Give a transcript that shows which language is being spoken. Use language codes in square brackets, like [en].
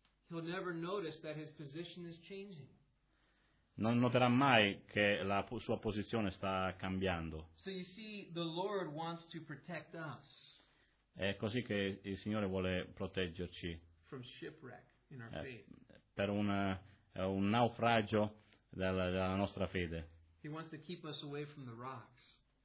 [en] he'll never notice that his position is changing. [it] Non noterà mai che la sua posizione sta cambiando. [en] So you see, the Lord wants to protect us. [it] È così che il Signore vuole proteggerci [en] from shipwreck in our faith. [it] Per un naufragio della nostra fede. [en] He wants to keep us away from the rocks.